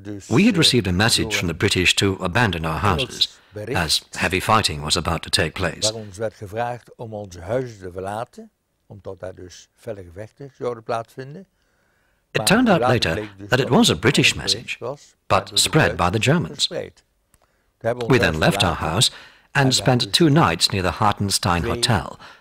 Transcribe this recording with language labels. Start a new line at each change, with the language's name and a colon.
English: We had received a message from the British to abandon our houses, as heavy fighting was about to take place.
Dutch: Waar ons werd gevraagd om onze huizen te verlaten, omdat daar dus felle gevechten zouden plaatsvinden.
English: It turned out later that it was a British message, but spread by the Germans. We then left our house and spent two nights near the Hartenstein Hotel.